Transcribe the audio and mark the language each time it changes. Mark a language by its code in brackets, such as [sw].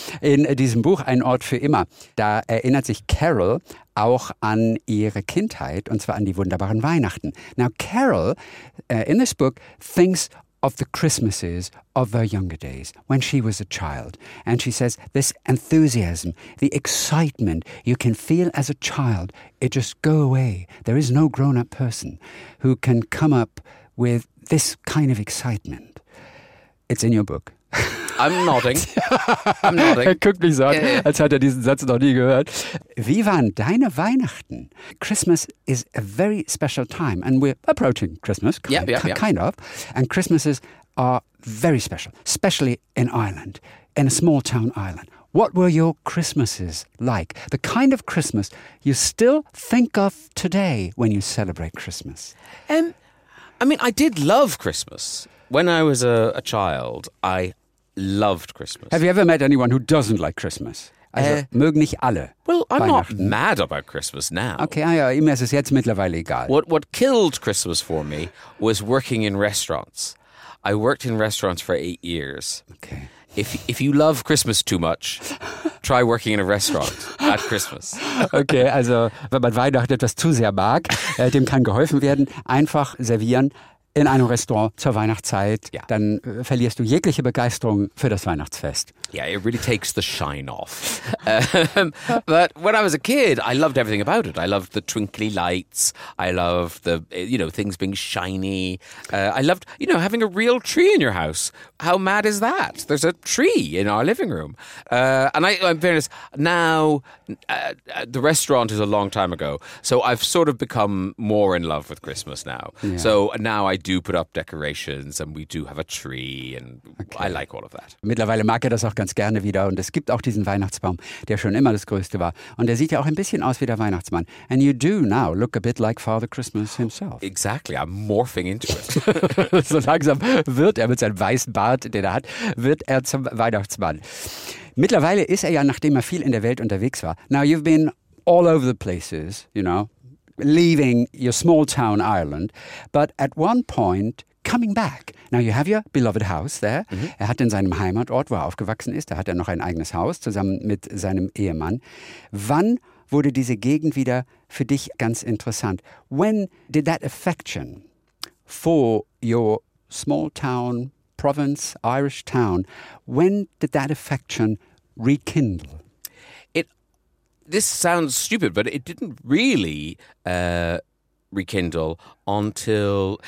[de] In diesem Buch, Ein Ort für immer, da erinnert sich Carol auch an ihre Kindheit, und zwar an die wunderbaren Weihnachten. [en] Now, Carol, in this book, thinks of the Christmases of her younger days, when she was a child. And she says, this enthusiasm, the excitement you can feel as a child, it just go away. There is no grown-up person who can come up with this kind of excitement. It's in your book. I'm nodding. [de] Er guckt mich so an, als hat er diesen Satz noch nie gehört. Wie waren deine Weihnachten? [en] Christmas is a very special time and we're approaching Christmas, kind of. And Christmases are very special, especially in Ireland, in a small town Ireland. What were your Christmases like? The kind of Christmas you still think of today when you celebrate Christmas. I did love Christmas. When I was a child, I loved Christmas. Have you ever met anyone who doesn't like Christmas? [de] Also, mögen nicht alle. [en] Well, I'm not mad about Christmas now. [de] Okay, ihm ist es jetzt mittlerweile egal. [en] What killed Christmas for me was working in restaurants. I worked in restaurants for 8 years. Okay. If you love Christmas too much, try working in a restaurant at Christmas. [de] Okay, also, wenn man Weihnachten etwas zu sehr mag, dem kann geholfen werden. Einfach servieren. In einem Restaurant zur Weihnachtszeit, dann verlierst du jegliche Begeisterung für das Weihnachtsfest. [en] Yeah, it really takes the shine off. But when I was a kid, I loved everything about it. I loved the twinkly lights. I loved the, you know, things being shiny. I loved, you know, having a real tree in your house. How mad is that? There's a tree in our living room. The restaurant is a long time ago. So I've sort of become more in love with Christmas now. Yeah. So now I do put up decorations and we do have a tree and I like all of that. [de] Mittlerweile mag er das auch ganz gerne wieder und es gibt auch diesen Weihnachtsbaum, der schon immer das Größte war und der sieht ja auch ein bisschen aus wie der Weihnachtsmann. [en] And you do now look a bit like Father Christmas himself. Exactly, I'm morphing into it. [de] So langsam wird er mit seinem weißen Bart, den er hat, wird er zum Weihnachtsmann. Mittlerweile ist er ja, nachdem er viel in der Welt unterwegs war. [en] Now you've been all over the places, you know, leaving your small town Ireland, but at one point coming back. Now you have your beloved house there. Mm-hmm. [de] Er hat in seinem Heimatort, wo er aufgewachsen ist, da hat er noch ein eigenes Haus zusammen mit seinem Ehemann. Wann wurde diese Gegend wieder für dich ganz interessant? [en] When did that affection for your small town province, Irish town, when did that affection rekindle? This sounds stupid, but it didn't really rekindle until...